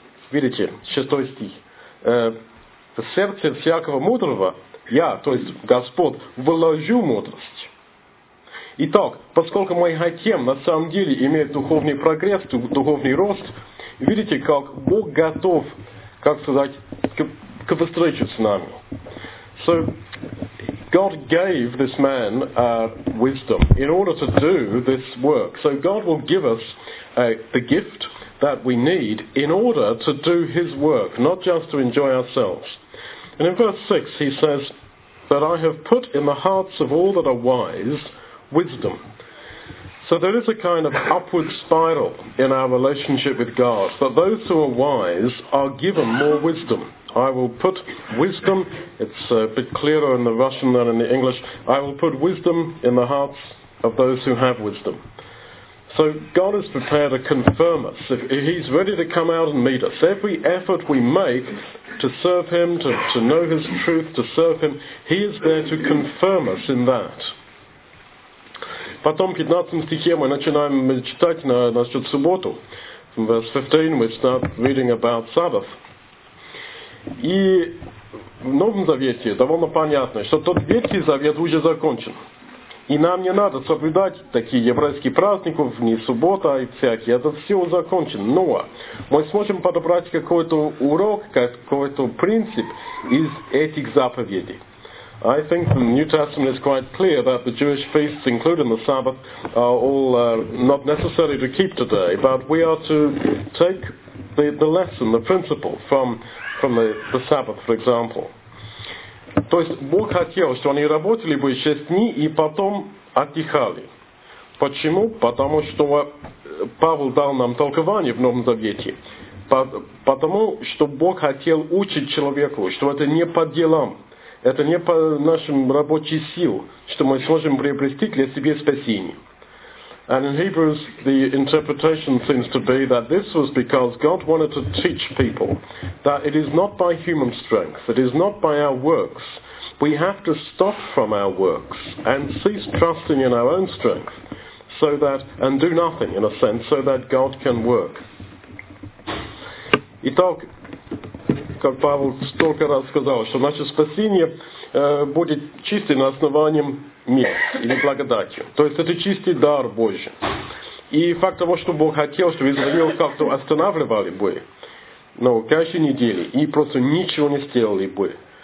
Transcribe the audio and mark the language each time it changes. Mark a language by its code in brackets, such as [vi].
[ru] Видите, 6 стих. В сердце всякого мудрого я, то есть Господь, вложу мудрость. Итак, поскольку мы хотим на самом деле иметь духовный прогресс, духовный рост, видите, как Бог готов, как сказать, к встрече с нами. [en] So, God gave this man wisdom in order to do this work. So God will give us the gift that we need in order to do his work, not just to enjoy ourselves. And in verse 6 he says, that I have put in the hearts of all that are wise wisdom. So there is a kind of upward spiral in our relationship with God, that those who are wise are given more wisdom. I will put wisdom, it's a bit clearer in the Russian than in the English, I will put wisdom in the hearts of those who have wisdom. So God is prepared to confirm us. If he's ready to come out and meet us. Every effort we make to serve him, to know his truth, to serve him, he is there to confirm us in that. [ru] Потом в 15 стихе мы начинаем читать насчет субботу. [en] From verse 15 we start reading about Sabbath. [ru] И в Новом Завете довольно понятно, что тот Ветхий Завет уже закончен. И нам не надо соблюдать такие еврейские праздники, не суббота и всякие. Это все закончено. Но мы сможем подобрать какой-то урок, какой-то принцип из этих заповедей. [en] I think the New Testament is quite clear that the Jewish feasts, including the Sabbath, are all not necessary to keep today. But we are to take the lesson, the principle from the Sabbath, for example. [ru] То есть Бог хотел, что они работали бы 6 дней и потом отдыхали. Почему? Потому что Павел дал нам толкование в Новом Завете. Потому что Бог хотел учить человеку, что это не по делам. Это не по нашим рабочим силам, что мы сможем приобрести для себя спасение. [en] And in Hebrews, the interpretation seems to be that this was because God wanted to teach people that it is not by human strength, it is not by our works. We have to stop from our works and cease trusting in our own strength so that, and do nothing, in a sense, so that God can work. [ru] Итак, как Павел столько раз сказал, что наше спасение будет чистым на основании милости или благодати. То есть это чистый дар Божий. И факт того, что Бог хотел, чтобы Израиль как-то останавливали бы, но каждую неделю, и просто ничего не сделали бы.